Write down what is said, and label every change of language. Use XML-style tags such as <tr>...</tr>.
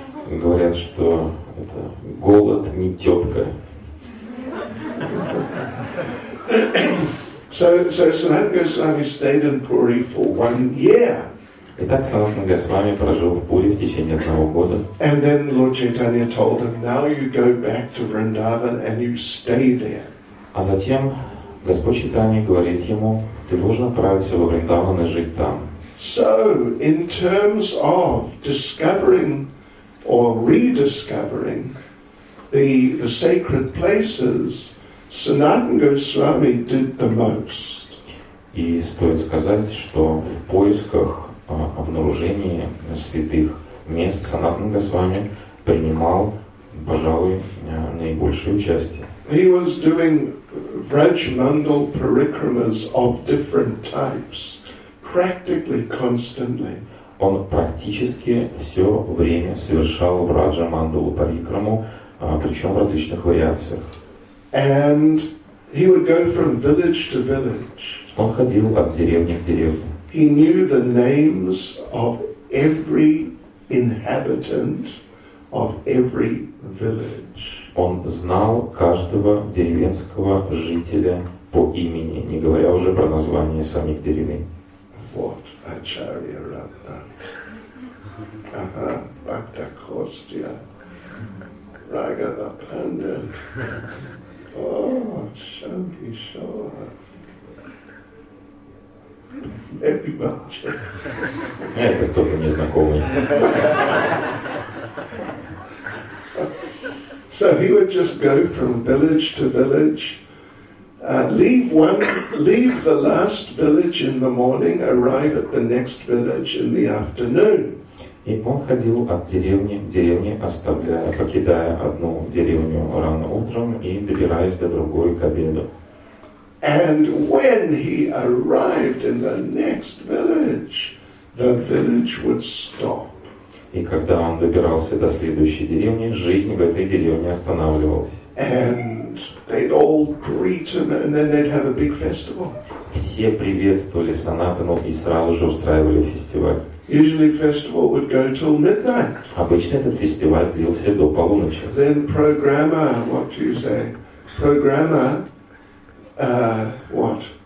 <ru>Говорят, что это голод не тетка.</ru> <en>So Sanatana Goswami stayed in Puri for 1 year.</en> <ru>Итак, Санатана Госвами прожил в Пури в течение 1 года.</ru> <en>And then Lord Chaitanya told him, "Now you go back to Vrindavan and you stay there."</en> <ru>А затем Господь Чайтанья говорит ему, ты должен отправиться во Вриндаван и жить там.</ru> <en>So, in terms of discovering or rediscovering the sacred places, Sanatana Goswami did the most.</en> <ru>И стоит сказать, что в поисках обнаружения святых мест Санатана Госвами принимал, пожалуй, наибольшее участие.</ru> <en>He was doing Vrajmandal parikramas of different types, practically constantly.</en> <ru>Он практически все время совершал Vrajmandalu parikramu, причем в различных вариациях.</ru> <en>And he would go from village to village.</en> <ru>Он ходил от деревни к деревне.</ru> <en>He knew the names of every inhabitant of every village.</en> <ru>Он знал каждого деревенского жителя по имени, не говоря уже про название самих деревень. Вот Ачарья Радха. Ага, Бхакта Костя. Рагава Пандит. О, Шанки Шоха. Эпи Бхакча. Это кто-то незнакомый.</ru> <en>So he would just go from village to village, leave the last village in the morning, arrive at the next village in the afternoon.</en> <ru>И он ходил от деревни к деревне, оставляя, покидая одну деревню рано утром и добираясь до другой к обеду.</ru> <en>And when he arrived in the next village, the village would stop.</en> <ru>И когда он добирался до следующей деревни, жизнь в этой деревне останавливалась.</ru> <en>And they'd all greet him, and then they'd have a big festival.</en> <ru>Все приветствовали Санатану и сразу же устраивали фестиваль.</ru> <en>Usually festival would go till midnight.</en> <ru>Обычно этот фестиваль длился до полуночи.</ru> <en>Then programmer, what do you say? Programmer, what?</en>